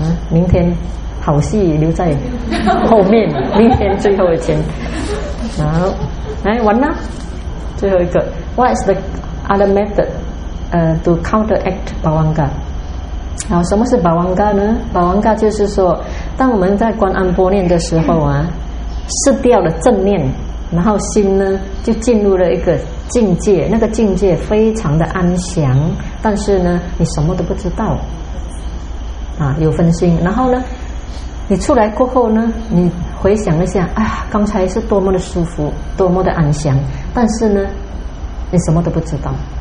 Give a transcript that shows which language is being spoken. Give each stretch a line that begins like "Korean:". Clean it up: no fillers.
Chinese: 明天好戏留在后面，明天最后一天。好，来玩啦，最后一个。
English: What is the other method to counteract Bhavanga？
Chinese: 好，什么是 Bhavanga 呢？ Bhavanga 就是说，当我们在观暗波念的时候失掉了正念，然后心呢就进入了一个境界，那个境界非常的安详，但是呢你什么都不知道有分心，然后呢你出来过后呢，你回想一下刚才是多么的舒服，多么的安详，但是呢你什么都不知道